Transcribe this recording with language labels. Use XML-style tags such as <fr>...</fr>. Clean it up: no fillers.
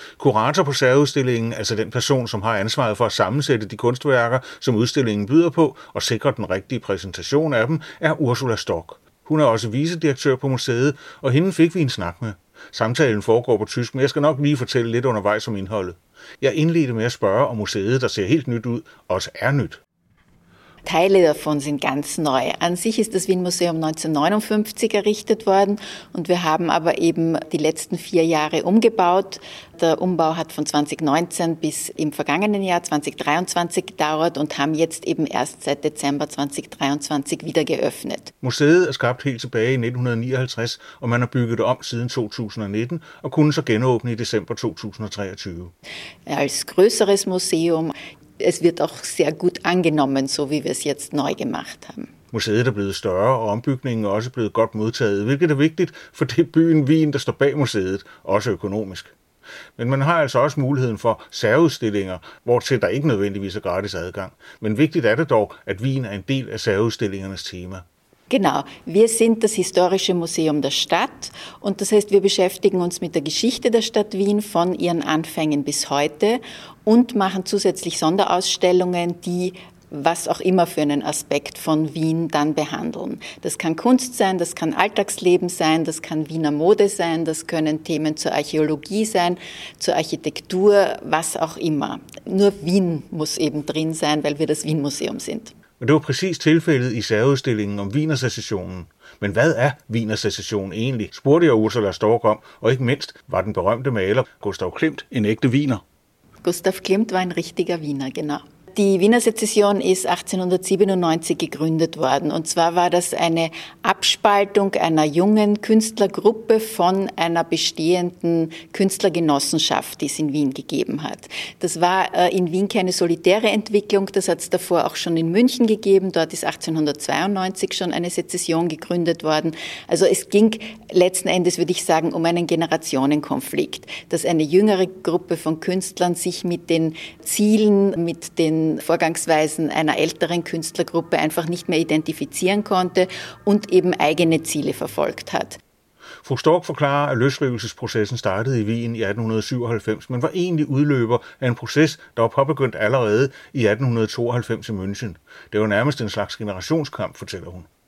<da>Kurator på særudstillingen, altså den person, som har ansvaret for at sammensætte de kunstværker, som udstillingen byder på, og sikre den rigtige præsentation af dem, er Ursula Stock. Hun er også vicedirektør på museet, og hende fik vi en snak med. Samtalen foregår på tysk, men jeg skal nok lige fortælle lidt undervejs om indholdet. Jeg indledte med at spørge, om museet, der ser helt nyt ud, også er nyt.</da> <de>Teile davon sind ganz neu. An sich ist das Wien Museum 1959 errichtet worden und wir haben aber eben die letzten vier Jahre umgebaut. Der Umbau hat von 2019 bis im vergangenen Jahr 2023 gedauert und haben jetzt eben erst seit Dezember 2023 wieder geöffnet.</de> <da>Museet er skabt helt tilbage i 1959 og man har bygget det om siden 2019 og kunne så genåbne i december 2023.</da> <de>Als größeres Museum. Es wird auch sehr gut angenommen, so wie wir es jetzt neu gemacht haben.</de> <da>Museet er blevet større, og ombygningen er også blevet godt modtaget, hvilket er vigtigt for det byen Wien, der står bag museet, også økonomisk. Men man har altså også muligheden for særudstillinger, hvortil der ikke nødvendigvis er gratis adgang. Men vigtigt er det dog, at Wien er en del af særudstillingernes tema.</da> <de>Genau, wir sind das historische Museum der Stadt und das heißt, wir beschäftigen uns mit der Geschichte der Stadt Wien von ihren Anfängen bis heute und machen zusätzlich Sonderausstellungen, die was auch immer für einen Aspekt von Wien dann behandeln. Das kann Kunst sein, das kann Alltagsleben sein, das kann Wiener Mode sein, das können Themen zur Archäologie sein, zur Architektur, was auch immer. Nur Wien muss eben drin sein, weil wir das Wien-Museum sind.</de> <da>Men det var præcis tilfældet i særudstillingen om Wiener Secessionen. Men hvad er Wiener Secession egentlig, spurgte jeg Ursula Stork om, og ikke mindst var den berømte maler Gustav Klimt en ægte wiener. Gustav Klimt var en rigtiger wiener,</da> <de>genau. Die Wiener Secession ist 1897 gegründet worden. Und zwar war das eine Abspaltung einer jungen Künstlergruppe von einer bestehenden Künstlergenossenschaft, die es in Wien gegeben hat. Das war in Wien keine solitäre Entwicklung. Das hat es davor auch schon in München gegeben. Dort ist 1892 schon eine Secession gegründet worden. Also es ging letzten Endes, würde ich sagen, um einen Generationenkonflikt, dass eine jüngere Gruppe von Künstlern sich mit den Zielen, mit den Vorgangsweisen einer älteren Künstlergruppe einfach nicht mehr identifizieren konnte und eben eigene Ziele verfolgt hat.</de> <da>Fru Stork forklarer, at løsrivelsesprocessen startede i Wien i 1897, men var egentlig udløber af en proces, der var påbegyndt allerede i 1892 i München. Det var nærmest en slags generationskamp, fortæller hun.</da>